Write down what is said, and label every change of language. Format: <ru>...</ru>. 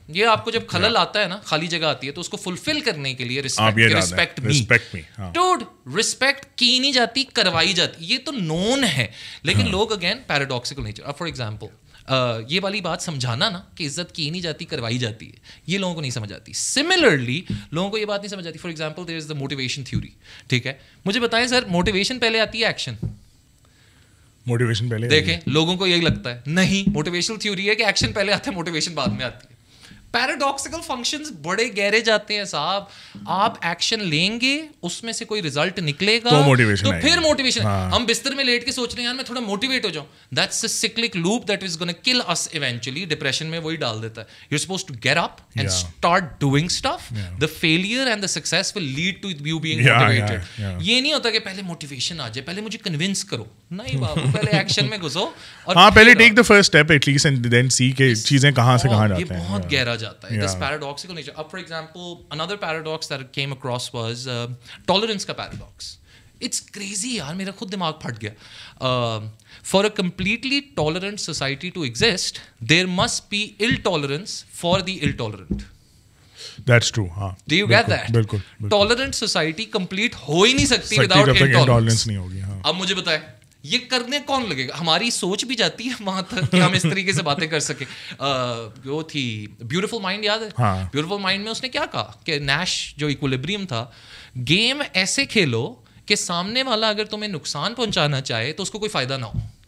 <ur>یہ آپ کو جب خلل آتا ہے نا, خالی جگہ آتی ہے, تو اس کو فلفل کرنے کے لیے ریسپیکٹ</ur> <en>respect me</en> <ur>ڈوڈ, ریسپیکٹ کی نہیں جاتی کروائی جاتی, یہ تو نون ہے. لیکن لوگ again</ur> <en>paradoxical nature,</en> <ur>for example یہ والی بات سمجھانا نا کہ عزت کی نہیں جاتی کروائی جاتی ہے, یہ لوگوں کو نہیں سمجھ آتی. سملرلی لوگوں کو یہ بات نہیں سمجھ آتی, for example</ur> <en>There is the motivation theory.</en> <ur>ٹھیک ہے, مجھے بتائیں سر موٹیویشن پہلے آتی ہے ایکشن؟ موٹیویشن پہلے, دیکھیں لوگوں کو یہی لگتا ہے, نہیں موٹیویشنل تھیوری ہے کہ ایکشن پہلے آتا ہے موٹیویشن بعد میں آتی ہے. پیراڈاکسیکل فنکشنز بڑے گہرے جاتے ہیں صاحب, آپ ایکشن لیں گے اس میں سے کوئی ریزلٹ نکلے گا تو پھر موٹیویشن. ہم بستر میں لیٹ کے سوچ رہے ہیں یار میں تھوڑا موٹیویٹ ہو جاؤں,</ur> <en>that's a cyclic loop that is gonna kill us eventually,</en> <ur>ڈپریشن میں وہی ڈال دیتا ہے.</ur> <en>You are supposed to get up and start doing stuff, the failure and the success will lead to you being motivated.</en> <ur>یہ نہیں ہوتا کہ پہلے موٹیویشن آ جائے, پہلے مجھے کنوینس کرو, نہیں بابو پہلے ایکشن میں گھسو اور ہاں پہلے</ur> <en>take the first step at least and then see</en> <ur>کہ چیزیں کہاں سے کہاں جاتی ہیں. یہ بہت گہرا جاتا ہے,</ur> <en>This paradoxical nature. اب for example another paradox that came across was tolerance کا paradox. It's crazy یار,</en> <ur>میرا خود دماغ پھٹ گیا.</ur> <en>For a completely tolerant society to exist there must be intolerance for the intolerant. That's true. Haan. Do you get that?</en> <ur>بالکل.</ur> <en>Tolerant society complete</en> <ur>ہو ہی نہیں سکتی</ur> <en>without intolerance.</en> <ur>نہیں ہوگی. اب مجھے بتائے یہ کرنے کون لگے گا, ہماری سوچ بھی جاتی ہے وہاں تک کہ ہم اس طریقے سے باتیں کر سکے. وہ تھی بیوٹیفل مائنڈ, یاد ہے بیوٹیفل مائنڈ میں اس نے کیا کہا کہ نیش جو ایکولیبریم تھا, گیم ایسے کھیلو کہ سامنے والا اگر تمہیں نقصان پہنچانا چاہے تو اس کو کوئی فائدہ نہ ہو.</ur>